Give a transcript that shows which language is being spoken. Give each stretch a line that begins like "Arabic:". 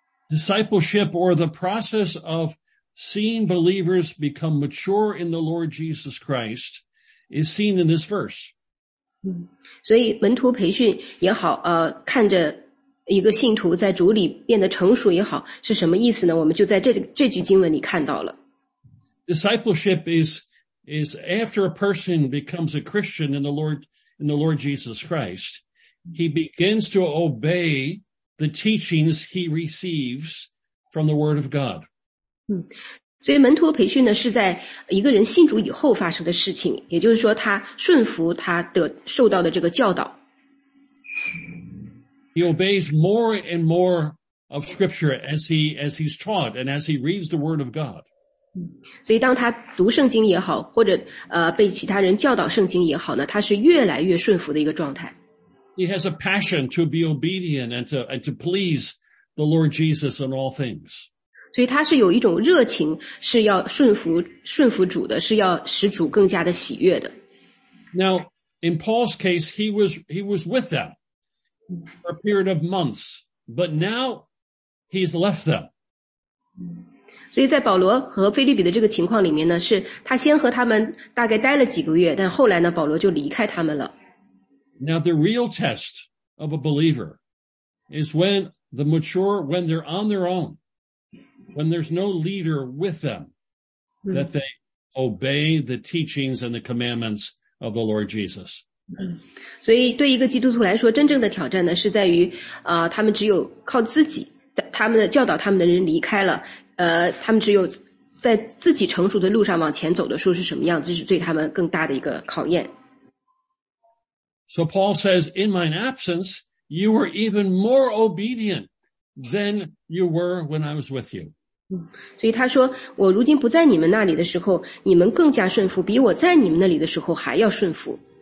English: Discipleship or the process of seeing believers become mature in the Lord Jesus Christ is seen in this verse.
Chinese: 所以门徒培训也好看着一个信徒在主里变得成熟也好，是什么意思呢？我们就在这句经文里看到了。
English: Discipleship is after a person becomes a Christian in the Lord Jesus Christ, he begins to obey the teachings he receives from the Word of God.
Chinese: 所以门徒培训呢，是在一个人信主以后发生的事情，也就是说他顺服他的受到的这个教导。
English: He obeys more and more of scripture as he's taught and as he reads the word of God.
Chinese: 所以当他读圣经也好，或者被其他人教导圣经也好呢，他是越来越顺服的一个状态。
English: He has a passion to be obedient and to please the Lord Jesus in all things.
Chinese: 所以他是有一种热情，是要顺服主的，是要使主更加的喜悦的。
English: Now, in Paul's case, he was with them. For a period of months, but now he's left them.
Chinese: 所以在保罗和菲律比的这个情况里面呢，是他先和他们大概待了几个月，但后来呢，保罗就离开他们了。
English: Now the real test of a believer is when they're on their own, when there's no leader with them, that they obey the teachings and the commandments of the Lord Jesus.
Chinese: 所以对一个基督徒来说，真正的挑战呢，是在于他们只有靠自己，他们的教导他们的人离开了，他们只有在自己成熟的路上往前走的时候是什么样，这是对他们更大的一个考验。
English: So Paul says, in my absence, you were even more obedient than you were when I was with you.
Chinese: 所以他说，我如今不在你们那里的时候，你们更加顺服，比我在你们那里的时候还要顺服。